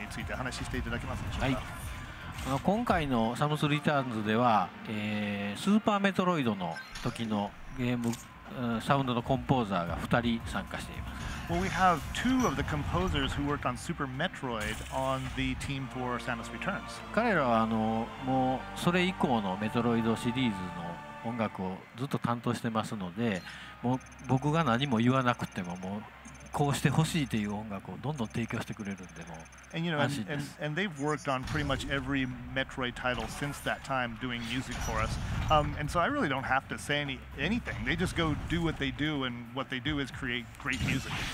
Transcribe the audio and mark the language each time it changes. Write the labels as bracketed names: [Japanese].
[Japanese] サウンドトレアSCに関しての、その開発、その制作した感じ、及び受けた影響などについて話していただけますでしょうか? この今回のサムスリターンズでは、スーパーメトロイドの時のゲームサウンドのコンポーザーが2人参加しています。 [English] Well, we have two of the composers who worked on Super Metroid on the team for Samus Returns. [Japanese] 彼らはもうそれ以降のメトロイドシリーズの音楽をずっと担当してますので、もう僕が何も言わなくても、もう [English] And they've worked on pretty much every Metroid title since that time doing music for us. And so I really don't have to say anything. They just go do what they do, and what they do is create great music.